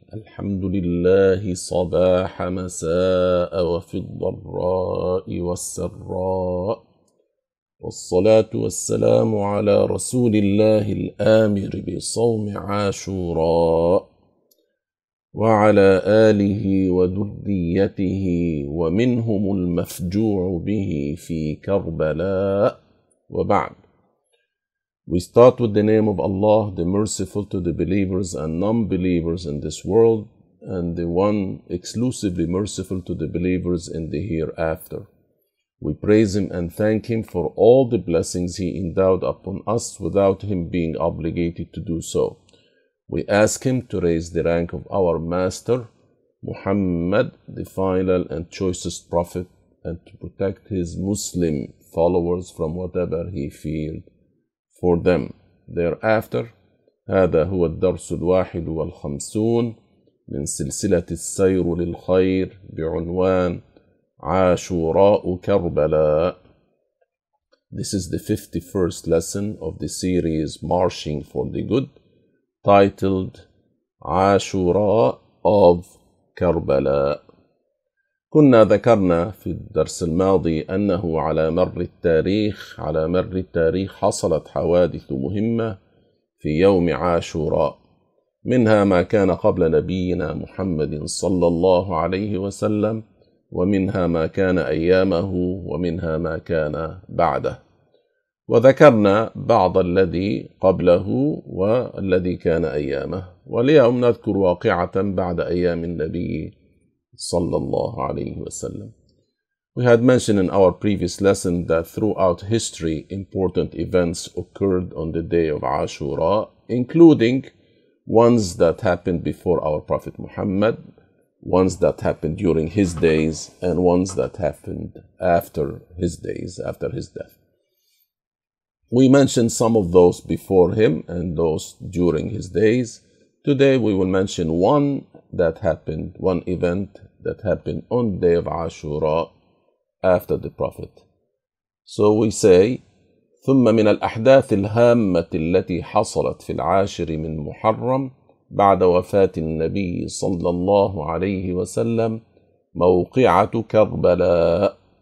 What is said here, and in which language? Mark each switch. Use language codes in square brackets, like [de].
[ar] الحمد لله صباح مساء وفي الضراء والسراء، والصلاة والسلام على رسول الله الآمر بصوم عاشوراء وعلى آله وذريته ومنهم المفجوع به في كربلاء، وبعد. [en] We start with the name of Allah, the merciful to the believers and non-believers in this world, and the one exclusively merciful to the believers in the hereafter. We praise Him and thank Him for all the blessings He endowed upon us without Him being obligated to do so. We ask Him to raise the rank of our Master, Muhammad, the final and choicest Prophet, and to protect His Muslim followers from whatever He feared for them. [ar] Thereafter, هذا هو الدرس الواحد والخمسون من سلسلة السير للخير بعنوان عاشوراء كربلاء. [en] This is the 51st lesson of the series Marching for the Good, titled عاشوراء of كربلاء. [ar] كنا ذكرنا في الدرس الماضي أنه على مر التاريخ حصلت حوادث مهمة في يوم عاشوراء، منها ما كان قبل نبينا محمد صلى الله عليه وسلم، ومنها ما كان أيامه، ومنها ما كان بعده. وذكرنا بعض الذي قبله والذي كان أيامه، واليوم نذكر واقعة بعد أيام النبي صلى الله عليه وسلم. [en] We had mentioned in our previous lesson that throughout history, important events occurred on the day of Ashura, including ones that happened before our Prophet Muhammad, ones that happened during his days, and ones that happened after his days, after his death. We mentioned some of those before him and those during his days. Today we will mention one event that happened on the day of Ashura after the Prophet. So we say, [ar] ثم من الأحداث الهامة التي حصلت في العاشر من محرم بعد وفاة النبي صلى الله عليه وسلم موقعة كربلاء.